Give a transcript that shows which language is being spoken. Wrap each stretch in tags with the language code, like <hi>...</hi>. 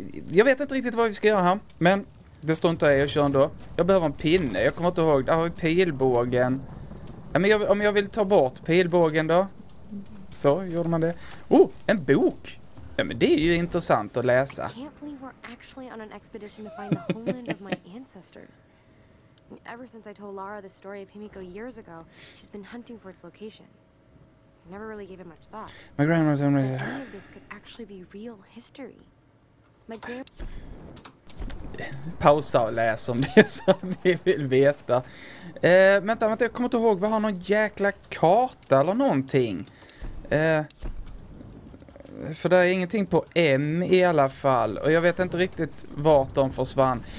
<sv>Jag vet inte riktigt vad vi ska göra här, men det står inte här, jag kör ändå. Jag behöver en pinne, jag kommer inte ihåg. Där har vi pilbågen. Ja, men om jag vill ta bort pilbågen då. Så, gjorde man det. Oh, en bok. Ja, men det är ju intressant att läsa.</sv> <en>I can't believe we're actually on an expedition to find the homeland of my ancestors. Ever since I told Lara the story of Himiko years ago, she's been hunting for its location. I never really gave it much thought. My grandma's on radio. None of this could actually be real history.</en> <sv>My pausa och läs om det som vi vill veta. Vänta, jag kommer inte ihåg. Vi har någon jäkla karta eller någonting. För det är ingenting på M i alla fall. Och jag vet inte riktigt vart de försvann.</sv>